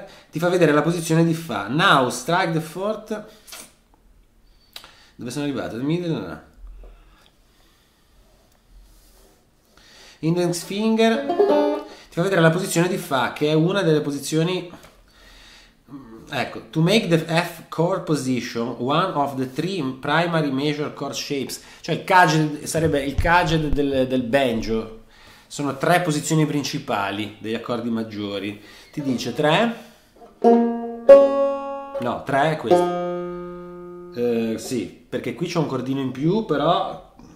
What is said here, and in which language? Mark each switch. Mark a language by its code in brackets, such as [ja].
[it] Ti fa vedere la posizione di fa. [en] Now strike the fourth. [it] Dove sono arrivato? [en] The middle. Index finger [it] ti fa vedere la posizione di fa, che è una delle posizioni. Ecco, [en] to make the F chord position one of the three primary major chord shapes. [it] Cioè, il caged sarebbe il caged del banjo. Sono tre posizioni principali degli accordi maggiori. Ti dice tre? No, tre è questo. Sì, perché qui c'è un cordino in più, però.